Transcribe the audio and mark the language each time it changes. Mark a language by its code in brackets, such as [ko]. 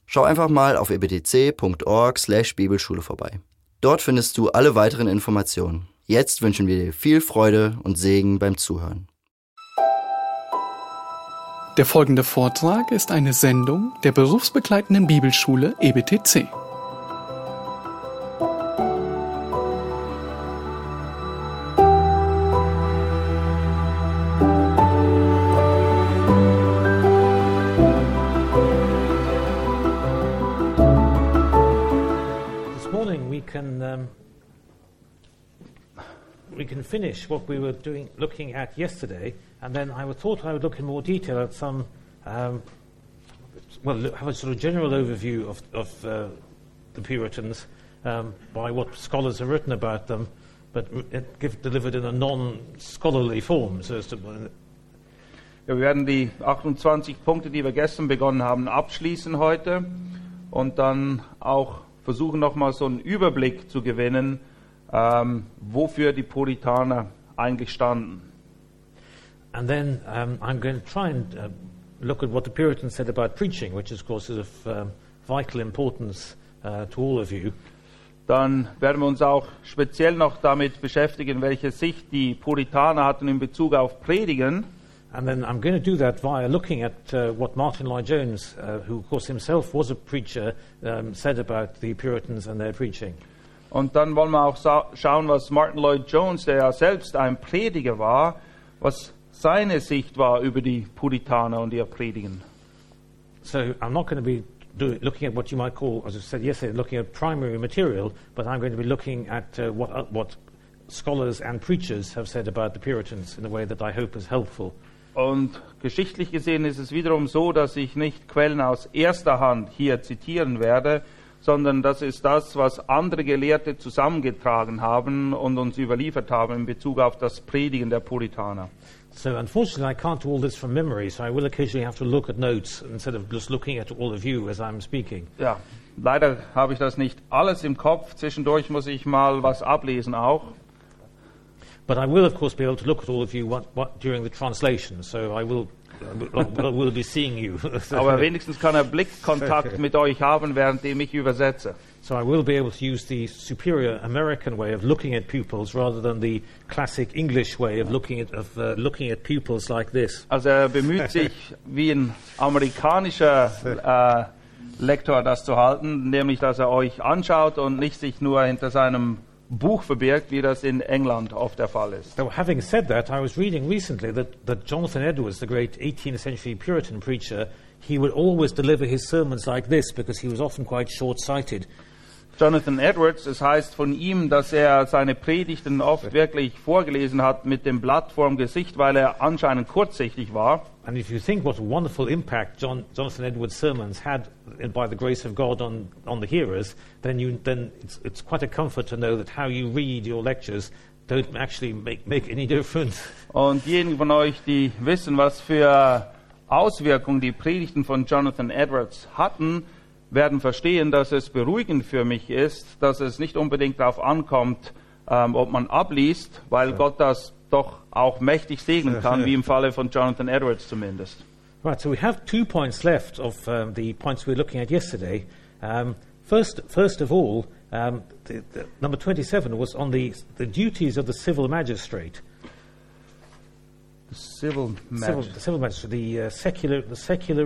[de] Schau einfach mal auf ebtc.org/Bibelschule vorbei. Dort findest du alle weiteren Informationen. Jetzt wünschen wir dir viel Freude und Segen beim Zuhören. Der folgende Vortrag ist eine Sendung der berufsbegleitenden Bibelschule EBTC. [en] This morning we can finish what we were doing, looking at yesterday, and then I thought I would look in more detail at some, have a sort of general overview of the Puritans by what scholars have written about them, but delivered in a non-scholarly form, so as to. [de] Ja, wir werden die 28 Punkte, die wir gestern begonnen haben, abschließen heute, und dann auch versuchen, nochmal so einen Überblick zu gewinnen. Wofür die Puritaner eigentlich standen. [en] And then I'm going to try and look at what the Puritans said about preaching, which of course is of vital importance to all of you. [de] Dann werden wir uns auch speziell noch damit beschäftigen, welche Sicht die Puritaner hatten in Bezug auf Predigen. [en] And then I'm going to do that via looking at what Martin Lloyd-Jones, who of course himself was a preacher, said about the Puritans and their preaching. [de] Und dann wollen wir auch schauen, was Martin Lloyd-Jones, der ja selbst ein Prediger war, was seine Sicht war über die Puritaner und ihr Predigen. [en] So I'm not going to be looking at what you might call, as I said yesterday, looking at primary material, but I'm going to be looking at what scholars and preachers have said about the Puritans in a way that I hope is helpful. [de] Und geschichtlich gesehen ist es wiederum so, dass ich nicht Quellen aus erster Hand hier zitieren werde, sondern das ist das, was andere Gelehrte zusammengetragen haben und uns überliefert haben in Bezug auf das Predigen der Puritaner. [en] So unfortunately I can't do all this from memory, so I will occasionally have to look at notes instead of just looking at all of you as I'm speaking. [de] Ja, leider habe ich das nicht alles im Kopf. Zwischendurch muss ich mal was ablesen auch. [en] But I will of course be able to look at all of you during the translation, so I will. We'll be seeing you. [de] Aber wenigstens kann er Blickkontakt mit euch haben, während ich übersetze. [en] So I will be able to use the superior American way of looking at pupils rather than the classic English way of looking at pupils like this. [de] Also er bemüht sich, wie ein amerikanischer Lektor das zu halten, nämlich dass er euch anschaut und nicht sich nur hinter seinem Buch verbirgt, wie das in England oft der Fall ist. [en] Now, having said that, I was reading recently that Jonathan Edwards, the great 18th century Puritan preacher, he would always deliver his sermons like this because he was often quite short-sighted. [de] Jonathan Edwards, es heißt von ihm, dass er seine Predigten oft wirklich vorgelesen hat mit dem Blatt vorm Gesicht, weil er anscheinend kurzsichtig war. [en] And if you think what a wonderful impact Jonathan Edwards' sermons had by the grace of God on the hearers, then it's quite a comfort to know that how you read your lectures don't actually make any difference. [de] Und diejenigen von euch, die wissen, was für Auswirkungen die Predigten von Jonathan Edwards hatten, werden verstehen, dass es beruhigend für mich ist, dass es nicht unbedingt darauf ankommt, ob man abliest, weil Gott das doch auch mächtig segnen kann, wie im Falle von Jonathan Edwards zumindest. [en] Right, so we have two points left of the points we were looking at yesterday. First of all, Number 27 was on the duties of the civil magistrate. The secular